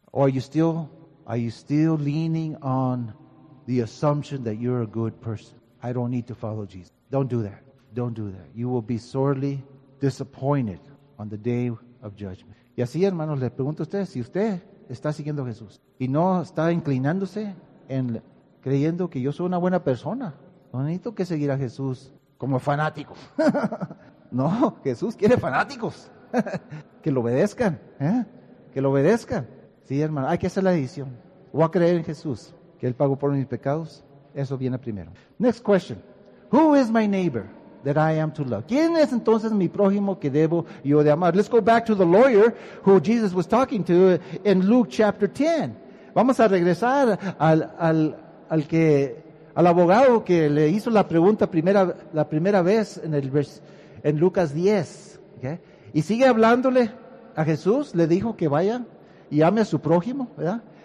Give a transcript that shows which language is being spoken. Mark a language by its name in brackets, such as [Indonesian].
[English] ¿O are you still leaning on the assumption that you're a good person? I don't need to follow Jesus. Don't do that. Don't do that. You will be sorely disappointed on the day of judgment. [Spanish] Y así, hermanos, le pregunto a ustedes, si usted está siguiendo a Jesús y no está inclinándose en creyendo que yo soy una buena persona, no necesito que seguir a Jesús como fanático. No, Jesús quiere fanáticos. Que lo obedezcan. Que lo obedezcan. Sí, hermano, hay que hacer la decisión. Voy a creer en Jesús, que Él pagó por mis pecados. Eso viene primero. [English] Next question. Who is my neighbor that I am to love? [Spanish] ¿Quién es entonces mi prójimo que debo yo de amar? [English] Let's go back to the lawyer who Jesus was talking to in Luke chapter 10. [Spanish] Vamos a regresar al abogado que le hizo la pregunta la primera vez en Lucas 10. Okay? Y sigue hablándole a Jesús, le dijo que vaya y ame a su prójimo, ¿verdad?